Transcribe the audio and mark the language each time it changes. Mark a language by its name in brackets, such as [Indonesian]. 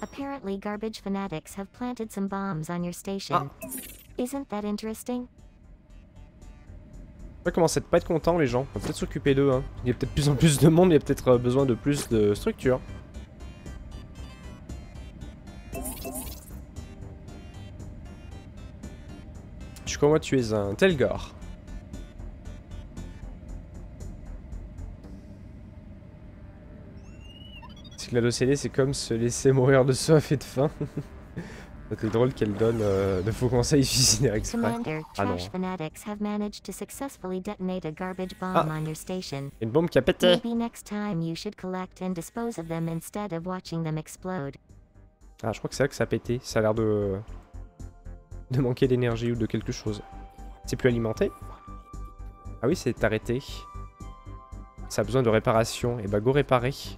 [English] Apparently garbage fanatics have planted some bombs on your station. Ah. Isn't that interesting? [French] Je commence à pas être content les gens. On va peut-être s'occuper d'eux. Hein. Il y a peut-être plus en plus de monde, il y a peut-être besoin de plus de structures. Je crois moi tu es un Telgor. La DOCD, c'est comme se laisser mourir de soif et de faim. C'est drôle qu'elle donne de faux conseils suicidaires exprès. [English] Commander, trash fanatics have managed to successfully detonate a garbage bomb on your station. [French] Une bombe qui a pété. [English] Maybe next time you should collect and dispose of them instead of watching them explode. [French] Ah, je crois que c'est là que ça a pété. Ça a l'air de manquer d'énergie ou de quelque chose. C'est plus alimenté? Ah oui, c'est arrêté. Ça a besoin de réparation. Et bah, go réparer.